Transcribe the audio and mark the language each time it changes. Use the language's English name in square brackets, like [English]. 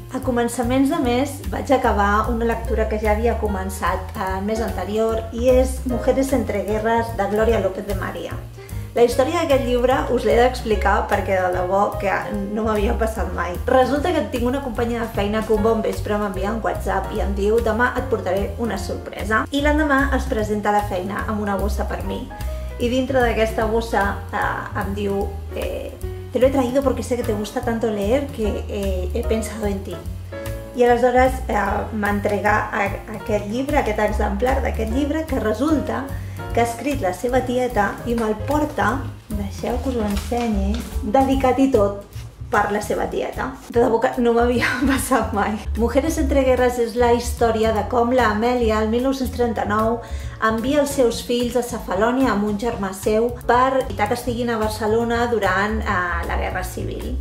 [Catalan] A començaments de mes vaig acabar una lectura que ja havia començat el mes anterior i és Mujeres entre guerras de Gloria López de María. La història d'aquest llibre us l'he d'explicar perquè de debò que no m'havia passat mai. Resulta que tinc una companya de feina que un bon vespre m'envia un WhatsApp i em diu demà et portaré una sorpresa. I l'endemà es presenta a la feina amb una bossa per mi. [Spanish] Y dentro de esta bolsa [Catalan] em diu, [Spanish] te lo he traído porque sé que te gusta tanto leer que he pensado en ti. [Catalan] Y aleshores m'entrega aquest llibre, aquest exemplar d'aquest llibre, que resulta que ha escrit la seva tieta i me'l porta, deixeu que us ho ensenyi, dedicat i tot per la seva tieta. De debò que no m'havia passat mai. Mujeres entre guerras és la història de com la Amèlia, el 1939, envia els seus fills a Cefalònia amb un germà seu per evitar que estiguin a Barcelona durant la Guerra Civil.